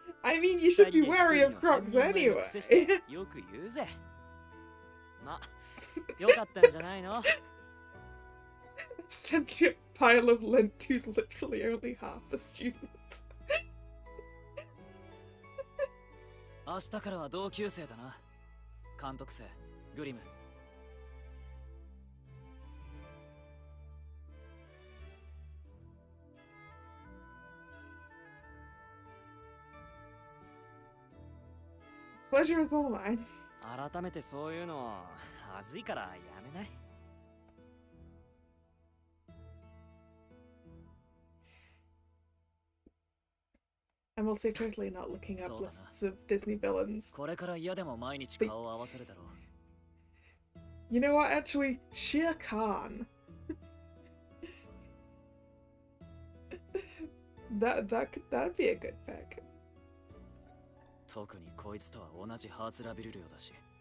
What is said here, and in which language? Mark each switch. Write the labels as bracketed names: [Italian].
[English] I mean, you should be wary of crocs anyway. [Japanese] よく言うぜ。よかったんじゃないの。 [English] Sentient pile of lint who's literally only half a student. [Japanese] 明日からは同級生だな。監督生、グリム。 [English] Pleasure is all mine. [Japanese] 改めてそういうの恥ずいからやめない。 [English] I'm also totally not looking up lists of Disney villains. [Japanese] これから嫌でも毎日顔を合わせるだろう。 [English] You know what, actually, Shere Khan. That'd be a good pick. [Japanese] 特にこいつとは同じハーツラビル寮だし。